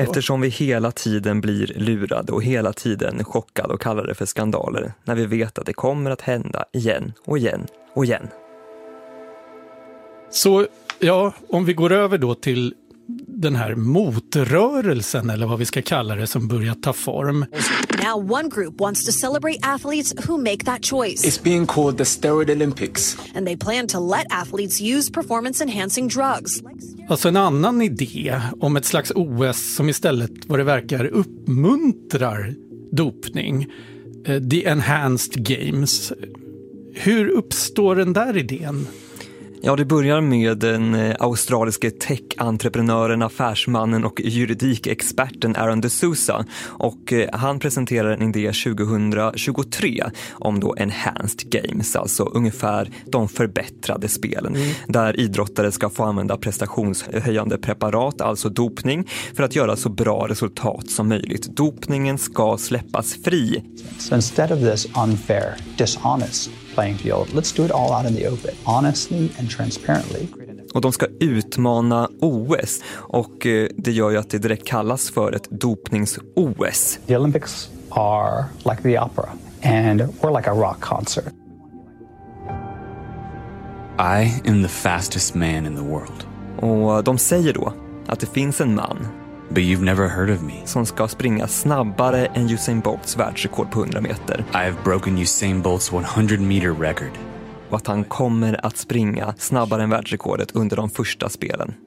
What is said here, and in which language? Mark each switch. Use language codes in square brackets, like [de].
[sv] Eftersom vi hela tiden blir lurade och hela tiden chockade och kallar det för skandaler. När vi vet att det kommer att hända igen och igen och igen. Så ja, om vi går över då till den här motrörelsen eller vad vi ska kalla det som börjar ta form. [en] Now one group wants to celebrate athletes who make that choice. It's being called the Steroid Olympics. And they plan to let athletes use performance enhancing drugs. [sv] Alltså en annan idé om ett slags OS som istället vad det verkar uppmuntrar dopning. The Enhanced Games. Hur uppstår den där idén? Ja, det börjar med den australiske tech-entreprenören, affärsmannen och juridikexperten Aaron D'Souza. Och han presenterade en idé 2023 om då enhanced games, alltså ungefär de förbättrade spelen. Mm. Där idrottare ska få använda prestationshöjande preparat, alltså dopning, för att göra så bra resultat som möjligt. Dopningen ska släppas fri. [en] So instead of this unfair, dishonest playing field, let's do it all out in the open, honestly and transparently. [sv] Och de ska utmana OS, och det gör ju att det direkt kallas för ett dopnings-OS. [en] The Olympics are like the opera, and we're like a rock concert. I am the fastest man in the world. [sv] Och de säger då att det finns en man, [en] but you've never heard of me, [sv] som ska springa snabbare än Usain Bolts världsrekord på 100 meter. [en] I've broken Usain Bolts 100 meter record. [sv] Och att han kommer att springa snabbare än världsrekordet under de första spelen.